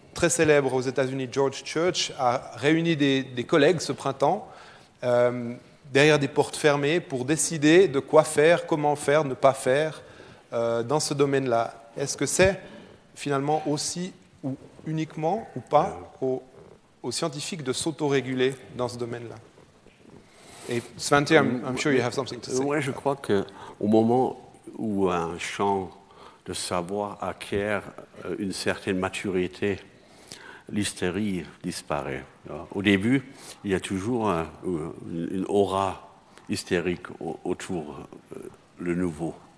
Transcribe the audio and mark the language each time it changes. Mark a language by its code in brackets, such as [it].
[fr] très célèbre aux États-Unis, George Church, a réuni des collègues ce printemps derrière des portes fermées pour décider de quoi faire, comment faire, ne pas faire dans ce domaine-là. Est-ce que c'est finalement aussi ou uniquement ou pas aux scientifiques de s'autoréguler dans ce domaine-là? [en] Et Svante, I'm sure you have something to say. [fr] Oui, je crois qu'au moment où un champ de savoir acquiert une certaine maturité, l'hystérie disparaît. Au début, il y a toujours une aura hystérique autour le nouveau.